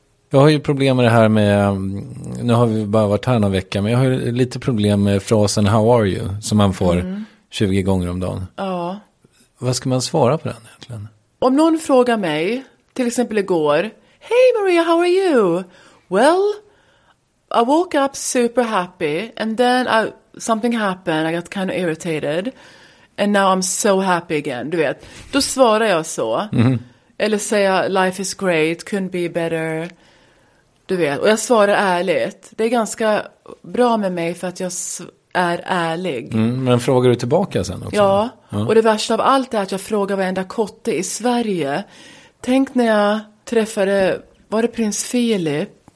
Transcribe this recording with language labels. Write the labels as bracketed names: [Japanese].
[Swedish] Jag har ju problem med det här med, nu har vi bara varit här någon vecka, men jag har ju lite problem med frasen [English] how are you, [Swedish] som man får 20 gånger om dagen. Ja. Vad ska man svara på den egentligen? Om någon frågar mig, till exempel igår, hey Maria, [English] how are you? Well, I woke up super happy and then something happened. I got kind of irritated and now I'm so happy again. [Swedish] Du vet, då svarar jag så. Mm. Eller säger [English] life is great, couldn't be better. [Swedish] Du vet, och jag svarar ärligt. Det är ganska bra med mig för att jag är ärlig. Mm, men frågar du tillbaka sen också? Ja. Och det värsta av allt är att jag frågar varenda kotte i Sverige. Tänk när jag träffade, var det prins Philip?